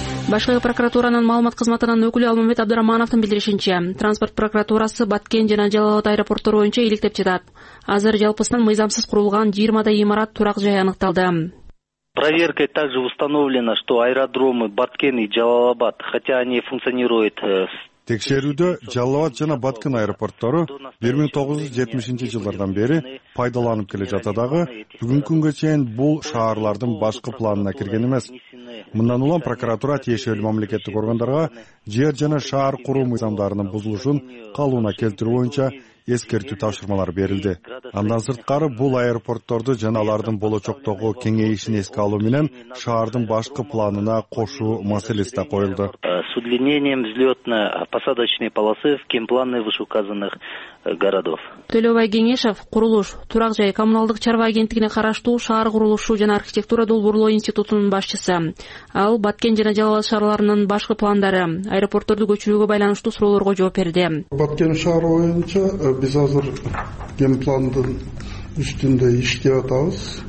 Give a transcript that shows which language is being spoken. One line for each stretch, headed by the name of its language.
Kyrgyz: Башкы прокуратуранын маалымат кызматынан өкүлү Алмамбет Абдрахмановдун билдиришинче, транспорт прокуратурасы Баткен жана Жалалабад аэропорттору боюнча иликтеп жатат. Азыр жалпысынан мыйзамсыз курулган 20 имарат турак жай аныкталды.
Russian: Проверкой также установлено, что аэродромы Баткен и Жалалабад, хотя они функционируют.
Kyrgyz: Текшерүүдө Жалалабад жана Баткен аэропорттору 1970-жылдардан бери пайдаланып келе жатса дагы, бүгүнкү күнгө чейин бул шаарлардын башкы планына кирген эмес. Мындан улам прокуратура тиешелүү мамлекеттик органдарга жер жана шаар куруу мыйзамдарынын бузулушун калыбына келтирүү боюнча эскертүү тапшырмалар берилди. Андан сырткары бул аэропортторду жана алардын болочоктогу кеңейишин эске алуу менен шаардын башкы планына кошуу маселеси да коюлду.
Russian: С удлинением взлетно-посадочной полосы в генпланы вышеуказанных городов.
Kyrgyz: Төлөбай Кеңешев курулуш, турак жай, коммуналдык чарба агенттигине караштуу шаар курулушу жана архитектура долбоорлоо институтунун башчысы. Ал Баткен жана Жалалабад шаарларынын башкы пландары, аэропортторду көчүрүүгө байланыштуу суроолорго жооп берди. Баткен шаары боюнча биз азыр генпландын үстүндө иштеп атабыз.